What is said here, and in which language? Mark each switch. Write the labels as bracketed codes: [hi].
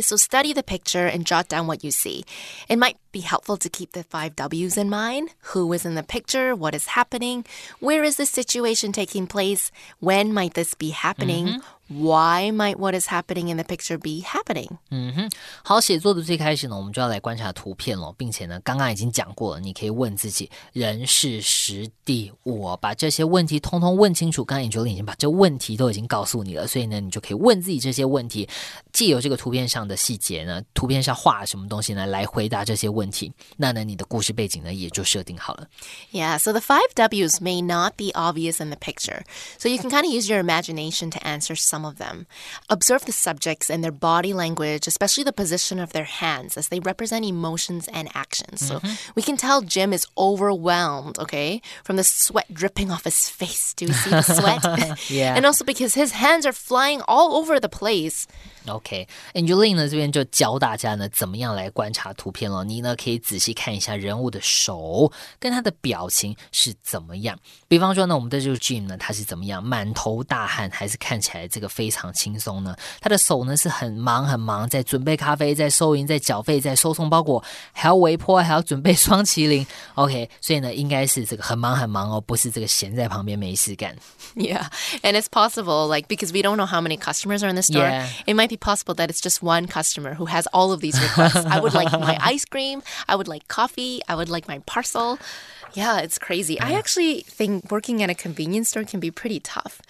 [en] So study the picture and jot down what you see. It might be helpful to keep the 5 W's in mind. Who is in the picture? What is happening? Where is this situation taking place? When might this be happening? Why might what is happening in the picture be happening? [zh] 好，写作的最开始呢，我们就要来观察图片了，并且呢，刚刚已经讲过了，你可以问自己人、事、时、地、物，把这些问题通通问清楚。刚刚Angeline已经把这问题都已经告诉你了，所以呢，你就可以问自己这些问题，借由这个图片上的细节呢，图片上画什么东西呢，来回答这些问题。那呢，你的故事背景呢，也就设定好了。 [en] Yeah, so the 5 W's may not be obvious in the picture, so you can kind of use your imagination to answer some of them. Observe the subjects and their body language, especially the position of their hands as they represent emotions and actions. So we can tell Jim is overwhelmed, okay, from the sweat dripping off his face. Do you see the sweat? Yeah. And also because his hands are flying all over the place. [zh] Okay, Angeline 呢这边就教大家呢怎么样来观察图片了。你呢可以仔细看一下人物的手跟他的表情是怎么样。比方说呢，我们的这个 Jim 呢，他是怎么样，满头大汗，还是看起来这个非常轻松呢？他的手呢是很忙很忙，在准备咖啡，在收银，在缴费，在收送包裹，还要微波，还要准备双麒麟。 Okay, 所以呢，应该是这个很忙很忙哦，不是这个闲在旁边没事干。 [en] Yeah, and it's possible, like because we don't know how many customers are in the store. Yeah. It might be possible that it's just one customer who has all of these requests. I would like my ice cream, I would like coffee, I would like my parcel. Yeah, it's crazy. I actually think working at a convenience store can be pretty tough.